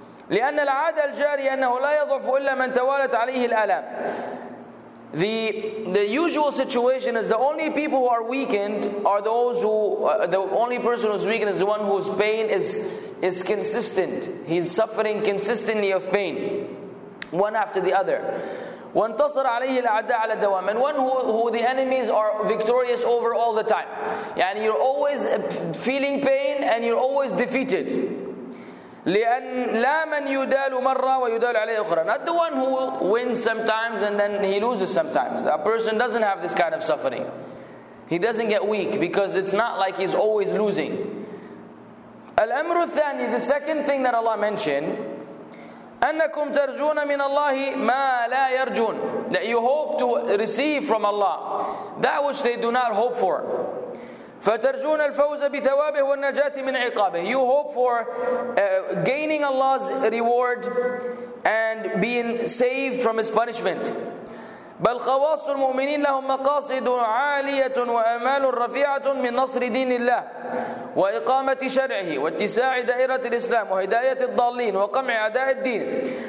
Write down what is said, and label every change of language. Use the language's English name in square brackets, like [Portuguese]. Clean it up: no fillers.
[Arabic] لأن العادة الجارية أنه لا يضعف إلا من توالت عليه الألم [English] The usual situation is the only people who are weakened are those who the only person who's weakened is the one whose pain is consistent. He's suffering consistently of pain, one after the other. [Arabic] وانتصر عليه الأعداء على الدوام [English] and one who the enemies are victorious over all the time. [Arabic] يعني [English] you're always feeling pain and you're always defeated. [Arabic] لأن لا من يدال مرة ويدال عليه أخرى. [English] Not the one who wins sometimes and then he loses sometimes. A person doesn't have this kind of suffering. He doesn't get weak because it's not like he's always losing. [Arabic] الأمر الثاني, [English] the second thing that Allah mentioned, [Arabic] أنكم ترجون من الله ما لا يرجون. [English] That you hope to receive from Allah that which they do not hope for. [Arabic] فترجون الفوز بثوابه والنجاة من عقابه. [English] You hope for gaining Allah's reward and being saved from His punishment. [Arabic] بل خواص المؤمنين لهم مقاصد عالية وأمال رفيعة من نصر دين الله وإقامة شرعه واتساع دائرة الإسلام وهداية الضالين وقمع أعداء الدين.